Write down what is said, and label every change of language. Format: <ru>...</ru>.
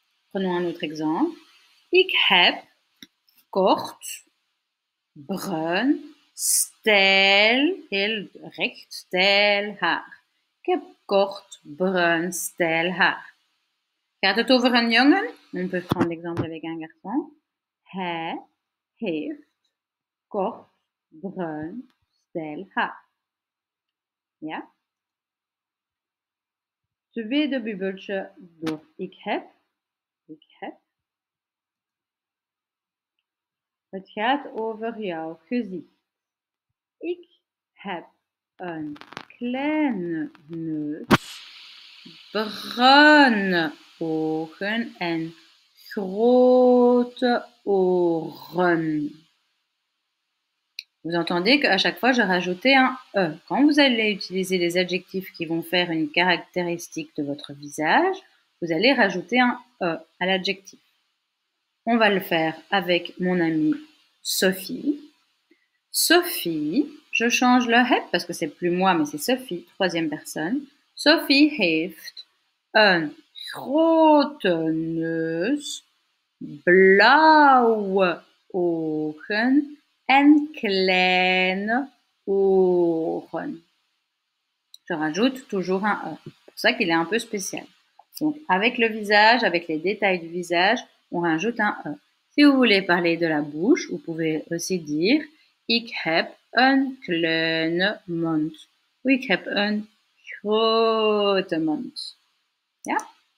<fr>Prenons un autre exemple.</fr> <nl>Ik heb kort, bruin, stijl, heel recht, stijl haar. Ik heb kort, bruin, stijl haar. Gaat het over een jongen?</nl> <fr>On peut prendre l'exemple avec un garçon.</fr> <nl>Hij heeft kort, bruin, stijl haar. Ja? Tweede bubbeltje door. Ik heb. Het gaat over jouw gezicht. Ik heb een kleine neus, bruine ogen en grote oren.</nl> <fr>Vous entendez qu'à chaque fois, je rajoutais un E. Quand vous allez utiliser les adjectifs qui vont faire une caractéristique de votre visage, vous allez rajouter un E à l'adjectif. On va le faire avec mon amie Sophie. Sophie, je change le heb parce que c'est plus moi, mais c'est Sophie, troisième personne.</fr> <nl>Sophie heeft een grote neus, blauwe ogen en kleine oren.</nl> <fr>Je rajoute toujours un E. C'est pour ça qu'il est un peu spécial. Donc, avec le visage, avec les détails du visage, on rajoute un E. Si vous voulez parler de la bouche, vous pouvez aussi dire</fr> <nl>ik heb een kleine mond. Ou ik heb een grote mond. Ja?</nl>